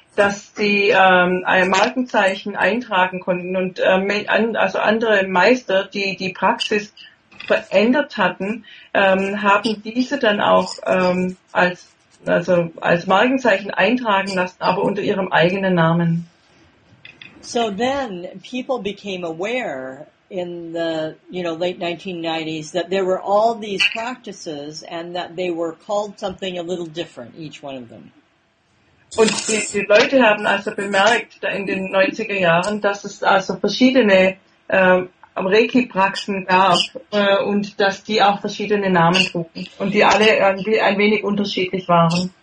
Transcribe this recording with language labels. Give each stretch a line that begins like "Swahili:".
German: dass die Markenzeichen eintragen konnten und also andere Meister, die die Praxis verändert hatten, haben diese dann auch als Markenzeichen eintragen lassen, aber unter ihrem eigenen Namen.
English: So then people became aware in the, you know, late 1990s that there were all these practices and that they were called something a little different, each one of them.
German: Und die Leute haben also bemerkt da in den 90er Jahren, dass es also verschiedene Reiki-Praxen gab und dass die auch verschiedene Namen trugen und die alle irgendwie ein wenig unterschiedlich waren.